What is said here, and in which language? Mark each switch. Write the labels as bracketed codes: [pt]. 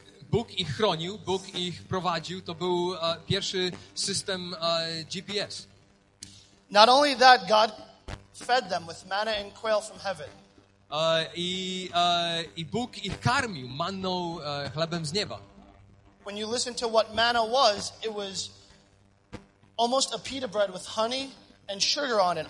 [pl] Bóg ich chronił, Bóg ich prowadził. To był pierwszy system GPS. [en] Not only that, God fed them with manna and quail from heaven. [pl] I Bóg ich karmił manną, chlebem z nieba. [en] When you listen to what manna was, it was almost a pita bread with honey and sugar on it.